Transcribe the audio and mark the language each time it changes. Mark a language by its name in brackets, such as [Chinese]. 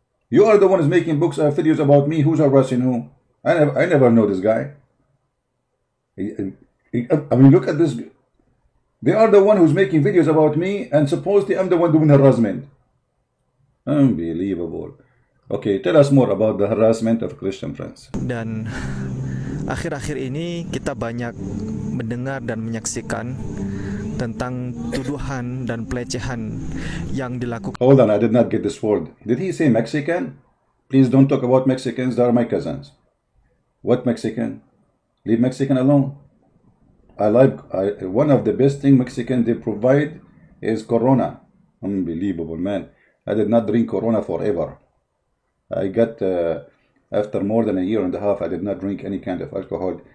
[English] You are the one who's making books or videos about me. Who's harassing who? I never know this guy. I mean, look at this. They are the one who's making videos about me, and supposedly I'm the one doing harassment. Unbelievable. Okay, tell us more about the harassment of Christian Prince. [Indonesian] Dan akhir-akhir ini kita banyak mendengar dan menyaksikan tentang tuduhan dan pelecehan yang dilakukan. [English] Hold on, I did not get this word. Did he say Mexican? Please don't talk about Mexicans, they are my cousins. What Mexican? Leave Mexican alone. One of the best thing Mexican they provide is Corona. Unbelievable, man. I did not drink Corona forever. I got, after more than a year and a half, I did not drink any kind of alcohol.